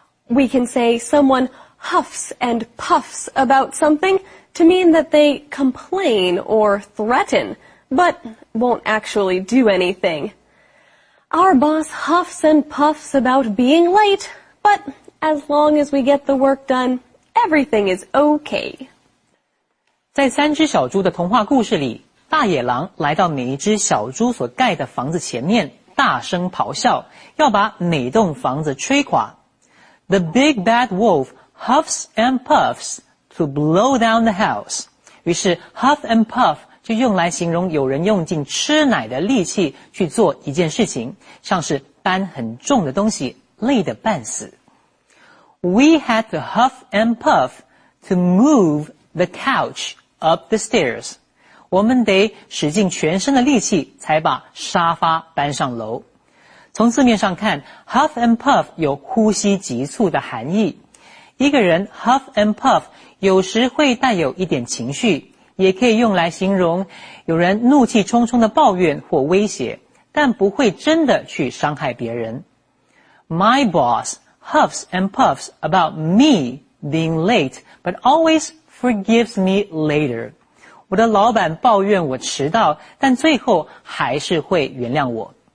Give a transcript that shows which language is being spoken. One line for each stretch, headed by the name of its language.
English: We can say someone huffs and puffs about something to mean that they complain or threaten, but won't actually do anything. Our boss huffs and puffs about being late, but as long as we get the work done, everything is okay.
Chinese: 在三只小猪的童话故事里，大野狼来到每一只小猪所盖的房子前面，大声咆哮，要把每栋房子吹垮。
English: The big bad wolf huffs and puffs to blow down the house.
Chinese: 于是 huff and puff 就用来形容有人用尽吃奶的力气去做一件事情，像是搬很重的东西，累得半死。
English: We had to huff and puff to move the couch up the stairs.
Chinese: 我们得使尽全身的力气才把沙发搬上楼。从字面上看 ,huff and puff 有呼吸急促的含义。一个人 huff and puff 有时会带有一点情绪，也可以用来形容有人怒气冲冲的抱怨或威胁，但不会真的去伤害别人。
English: My boss huffs and puffs about me being late, but always forgives me later.
Chinese: 我的老板抱怨我迟到，但最后还是会原谅我。